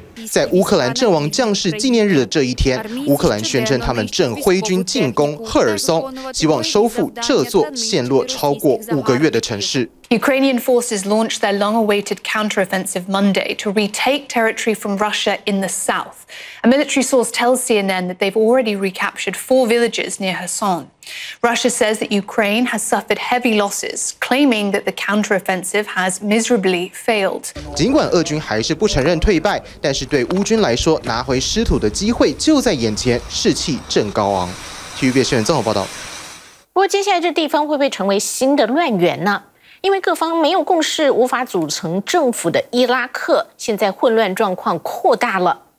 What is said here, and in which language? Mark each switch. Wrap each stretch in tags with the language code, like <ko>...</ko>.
<zh>在乌克兰阵亡将士纪念日的这一天，乌克兰宣称他们正挥军进攻赫尔松，希望收复这座陷落超过五个月的城市。</zh> <en>Ukrainian forces launched their long-awaited counteroffensive Monday to retake territory from Russia in the south. A military source tells CNN that they've already recaptured four villages near Kherson. Russia says that Ukraine has suffered heavy losses, claiming that the counteroffensive has miserably failed.</en> <zh>尽管俄军还是不承认退败，但是对乌军来说，拿回失土的机会就在眼前，士气正高昂。 TVB 新闻综合报道。不过，接下来这地方会不会成为新的乱源呢？因为各方没有共识，无法组成政府的伊拉克，现在混乱状况扩大了。</zh>